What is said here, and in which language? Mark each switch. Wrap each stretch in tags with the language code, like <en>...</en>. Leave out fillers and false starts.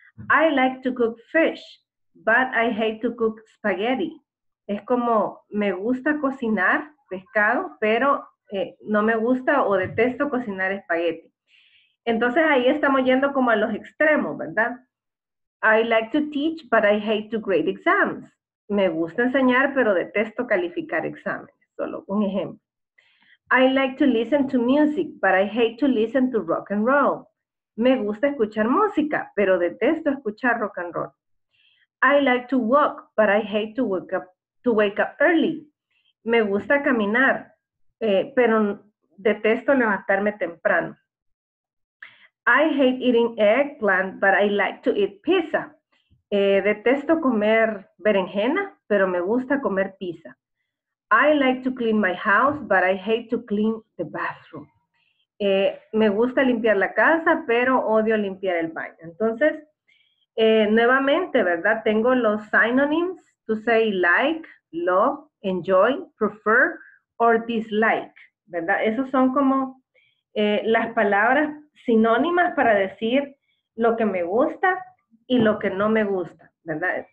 <en>I like to cook fish, but I hate to cook spaghetti.</en> <es>Es como, me gusta cocinar pescado, pero no me gusta o detesto cocinar espagueti. Entonces ahí estamos yendo como a los extremos, ¿verdad?</es> <en>I like to teach, but I hate to grade exams.</en> <es>Me gusta enseñar, pero detesto calificar exámenes. Solo un ejemplo.</es> <en>I like to listen to music, but I hate to listen to rock and roll.</en> <es>Me gusta escuchar música, pero detesto escuchar rock and roll.</es> <en>I like to walk, but I hate to wake up early.</en> <es>Me gusta caminar, pero detesto levantarme temprano.</es> <en>I hate eating eggplant, but I like to eat pizza.</en> <es>Detesto comer berenjena, pero me gusta comer pizza.</es> <en>I like to clean my house, but I hate to clean the bathroom.</en> <es>Me gusta limpiar la casa, pero odio limpiar el baño. Entonces, nuevamente, ¿verdad? Tengo los</es> <en>synonyms to say like, love, enjoy, prefer, or dislike,</en> <es>¿verdad? Esos son como las palabras sinónimas para decir lo que me gusta y lo que no me gusta, ¿verdad?</es>